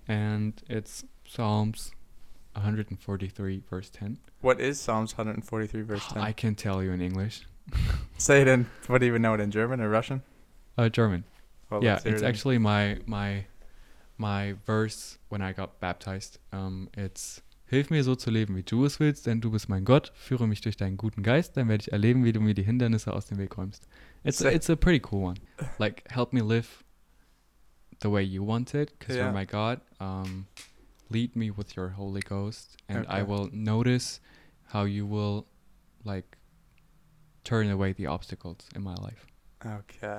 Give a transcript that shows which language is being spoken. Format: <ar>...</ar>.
<en>And it's Psalms 143 verse 10. What is Psalms 143 verse 10? I can tell you in English. Say it in, what do you even know it in, German or Russian? German. Well, yeah, it's actually my verse when I got baptized.</en> <de>It's Hilf mir so zu leben, wie du es willst, denn du bist mein Gott. Führe mich durch deinen guten Geist, dann werde ich erleben, wie du mir die Hindernisse aus dem Weg räumst.</de> <en>It's a pretty cool one. Like, help me live the way you want it, because you're my God. Lead me with your Holy Ghost, and I will notice how you will, like, turn away the obstacles in my life. Okay.</en>